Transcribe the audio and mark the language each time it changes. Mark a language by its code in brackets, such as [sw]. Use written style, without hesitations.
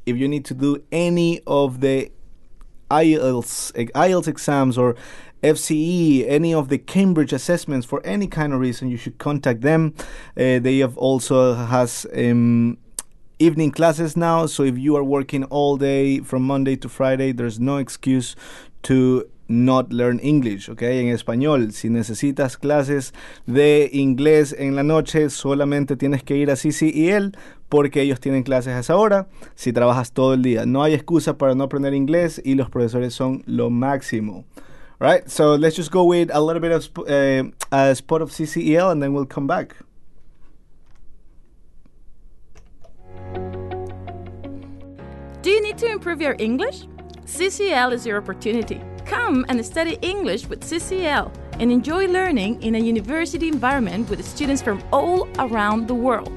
[en] If you need to do any of the IELTS exams or FCE, any of the Cambridge assessments for any kind of reason, you should contact them. They have also has evening classes now, so if you are working all day from Monday to Friday, there's no excuse to not learn English, okay? [es] En español, si necesitas clases de inglés en la noche, solamente tienes que ir a CCEL porque ellos tienen clases a esa hora, si trabajas todo el día. No hay excusa para no aprender inglés y los profesores son lo máximo. [en] All right, so let's just go with a little bit of a spot of CCEL and then we'll come back. Do you need to improve your English? CCEL is your opportunity. Come and study English with CCEL and enjoy learning in a university environment with students from all around the world.